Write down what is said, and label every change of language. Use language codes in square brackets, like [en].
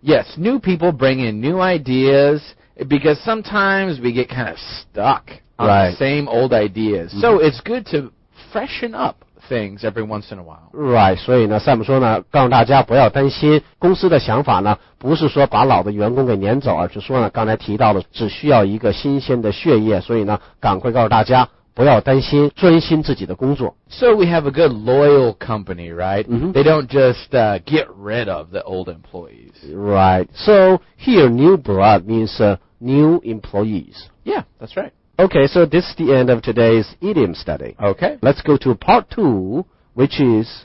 [en] Yes, new people bring in new ideas because sometimes we get kind of stuck on the same old ideas. So it's good to freshen up. Things every once in a while. [zh] Right, 所以呢 Sam 说呢告诉大家不要担心公司的想法呢不是说把老的员工给撵走而是说呢刚才提到的只需要一个新鲜的血液所以呢赶快告诉大家不要担心专心自己的工作 [en] So we have a good loyal company, right?、 Mm-hmm. They don't just get rid of the old employees. Right, so here new blood means new employees. Yeah, that's right. Okay, so this is the end of today's idiom study. Okay. Let's go to part two, which is...